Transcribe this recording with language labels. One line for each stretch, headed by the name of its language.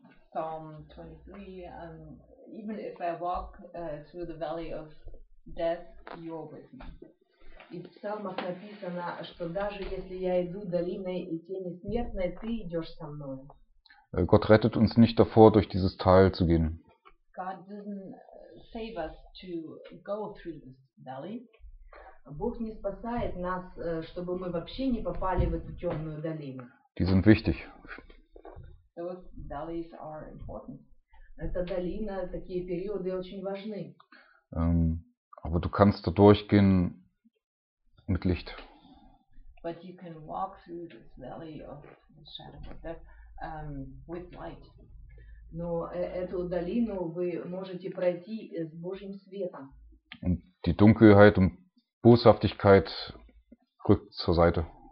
English: Psalm 23, even if I walk through the valley of death, you are with me.
Russian: И в псалмах написано, что даже если я иду долиной и тени смертной, ты идешь со мной.
German: Gott rettet uns nicht davor, durch dieses Tal zu gehen.
English: God doesn't save us to go through this valley.
Russian: Бог не спасает нас, чтобы мы вообще не попали в эту темную долину.
German: Die sind wichtig.
English: Those valleys are important.
Russian: Эта долина, такие периоды очень важны.
German: Aber du kannst da durchgehen mit Licht.
English: But you can walk through this valley of the shadow of death with light.
Russian: Но эту долину вы можете пройти с Божьим светом.
German: Und die Dunkelheit und Boshaftigkeit rückt zur Seite.